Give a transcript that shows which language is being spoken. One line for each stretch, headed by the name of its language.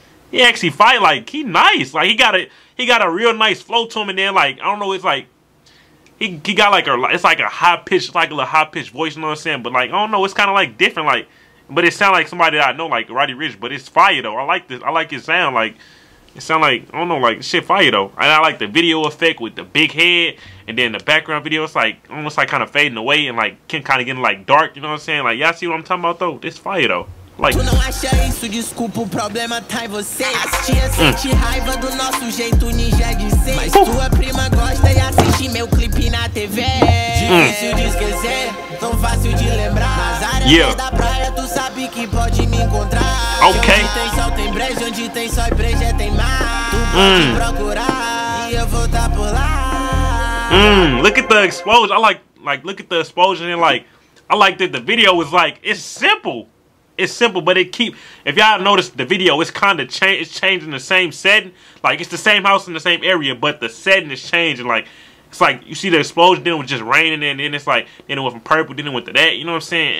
English: He actually fight like he nice. Like he got a real nice flow to him, and then like I don't know, it's like he got like a, it's like a high pitch, like a little high pitched voice, you know what I'm saying? But like I don't know, it's kinda like different, like, but it sound like somebody that I know, like Roddy Rich, but it's fire though. I like this. I like his sound. Like, it sound like, I don't know, like shit fire though. And I like the video effect with the big head, and then the background video, it's like almost like kind of fading away and like can kind of getting like dark, you know what I'm saying? Like, y'all see what I'm talking about though? It's fire though.
Portuguese: Like, tu não acha isso, desculpa, o problema tá em você. As tias sente raiva do nosso jeito ninja de ser. Mas tua prima gosta e assiste meu clipe na TV. Difícil de esquecer, tão fácil de lembrar. Nas áreas da praia, tu sabe que pode me encontrar. Okay. Onde tem sol tem breja, onde tem sol e breja tem mar. Tu pode procurar e eu vou tá por lá.
English: Look at the exposure. I like look at the exposure, and like I like that the video is like, it's simple. It's simple, but if y'all notice the video, it's kind of it's changing the same setting. Like, it's the same house in the same area, but the setting is changing. Like, it's like, you see the explosion, then it was just raining, and then it's like, then it went from purple, then it went to that, you know what I'm saying?